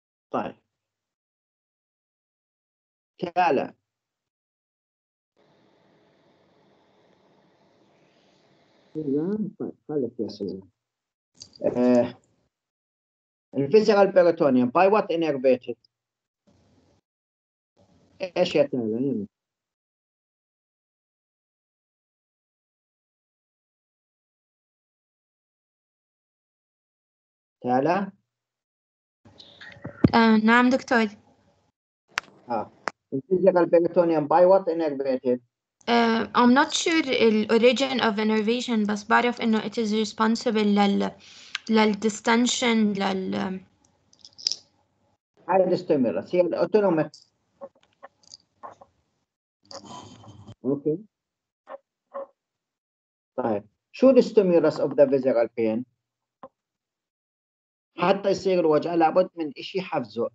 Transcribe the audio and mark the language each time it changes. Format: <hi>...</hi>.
<ar>طيب تعالى</ar> <en>الفيزيكال peritoneum by what innervated</en> <ar>ايش يا تعالى تعالى نعم دكتور</ar> <en>الفيزيكال peritoneum by what innervated. I'm not sure the origin of innervation,</en> <ar>بس بعرف إنه</ar> <en>it is responsible لل distension لل</en> <ar>هاي الستيمولس هي الأوتونوميك. أوكي طيب شو الستيمولس</ar> <en>of the visceral pain</en> <ar>حتى يصير الوجع لابد من إشي حفزه.</ar>